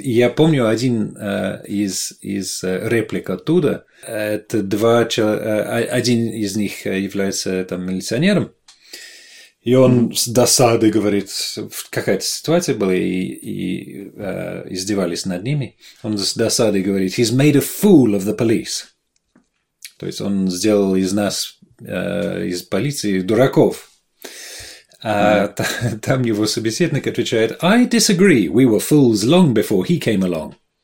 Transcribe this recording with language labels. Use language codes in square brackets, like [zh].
[ru] И я помню один из реплик оттуда. Это два человека. Один из них является там милиционером. И он с досады говорит, какая-то ситуация была, и издевались над ними. Он с досады говорит, [en] he's made a fool of the police. [ru] То есть, он сделал из нас, из полиции, дураков. А там его собеседник отвечает, [en] I disagree, we were fools long before he came along.